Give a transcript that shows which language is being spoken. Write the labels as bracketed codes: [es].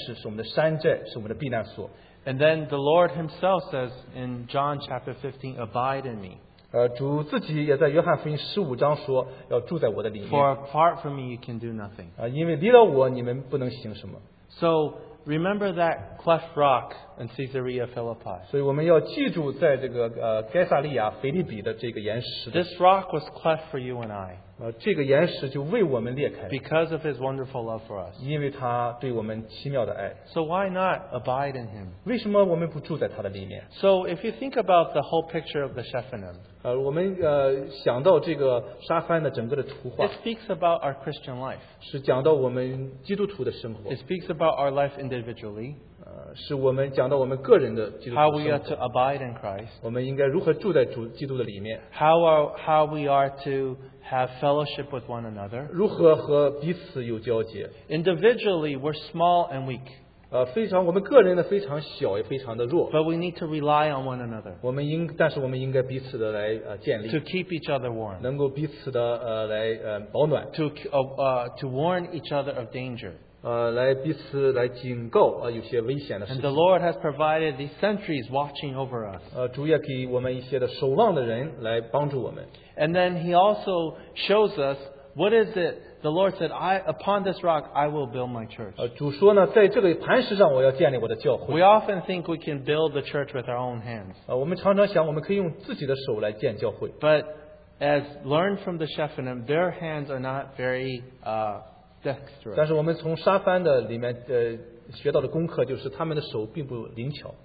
[zh] 在诗篇十九篇讲到，神是我们的磐石，是我们的山寨，是我们的避难所。 [en] And then the Lord himself says in John chapter 15, Abide in me. [zh] 主自己也在约翰福音十五章说，要住在我的里面。 [en] For apart from me, you can do nothing. [zh] 因为离了我，你们不能行什么。 [en] So, remember that cleft rock in Caesarea Philippi. [zh] 所以我们要记住在这个该萨利亚腓立比的这个岩石。 [en] This rock was cleft for you and I. [zh] 这个岩石就为我们裂开。 [en] Because of his wonderful love for us. [zh] 因为他对我们奇妙的爱。 [en] So why not abide in him? [zh] 为什么我们不住在他的里面? [en] So if you think about the whole picture of the Shephanim, [zh] 我们想到这个沙番的整个的图画, [en] it speaks about our Christian life. [zh] 是讲到我们基督徒的生活。 [en] It speaks about our life individually. [zh] 是我们讲到我们个人的基督徒生活。 [en] How we are to abide in Christ. [zh] 我们应该如何住在基督的里面。 [en] How we are to have fellowship with one another. [zh] 如何和彼此有交接。 [en] Individually, we're small and weak. [zh] 我们个人的非常小也非常的弱。 [en] But we need to rely on one another. [zh] 但是我们应该彼此的来建立。 [en] To keep each other warm. [zh] 能够彼此的保暖。 [en] To warn each other of danger. [zh] 来彼此来警告有些危险的事情。 [en] And the Lord has provided these sentries watching over us. [zh] 主也给我们一些的守望的人来帮助我们。 [en] And then he also shows us what is it the Lord said, upon this rock I will build my church. [zh] 主说呢,在这个磐石上我要建立我的教会。 [en] We often think we can build the church with our own hands. [zh] 我们常常想我们可以用自己的手来建教会。 [en] But as learned from the Shephanim, their hands are not very dexterous. [zh] 但是我们从沙番的里面学到的功课就是他们的手并不灵巧。